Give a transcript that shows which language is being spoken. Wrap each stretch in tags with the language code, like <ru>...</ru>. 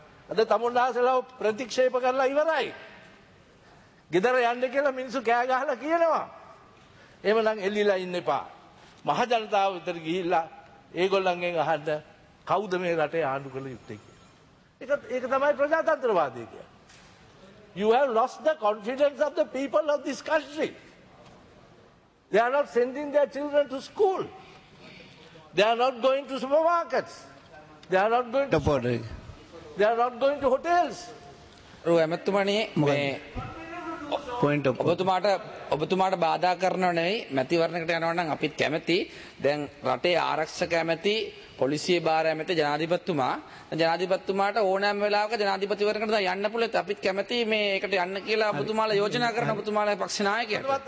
<si>අද තමුන්නාසලා ප්‍රතික්ෂේප කරලා ඉවරයි. ගෙදර යන්න කියලා මිනිස්සු කෑ ගහලා කියනවා. එහෙමනම් එල්ලිලා ඉන්න එපා. මහ ජනතාව විතර ගිහිල්ලා ඒගොල්ලන්ගෙන් අහන්න කවුද මේ රටේ ආණ්ඩු කළ යුත්තේ කියලා. ඒක තමයි ප්‍රජාතන්ත්‍රවාදී කියන්නේ.</si> <en>You have lost the confidence of the people of this country. They are not sending their children to school. They are not going to supermarkets. They are not going to shopping. They are not going to hotels.</en> <si>Raw ඇමතුමනි මේ</si> <en>point of</en> <si>ඔබතුමාට බාධා කරනව නෙවෙයි මැතිවරණයකට යනවා නම් අපිත් කැමැති. දැන් රටේ ආරක්ෂක ඇමැති පොලිසිය බාර ඇමැති ජනාධිපතිතුමාට ඕනෑම වෙලාවක ජනාධිපතිවරණයකට දැන් යන්න පුළුවන්. අපිත් කැමැති මේකට යන්න කියලා ඔබතුමාලා යෝජනා කරන ඔබතුමාලාගේ පක්ෂ නායකයාට</si>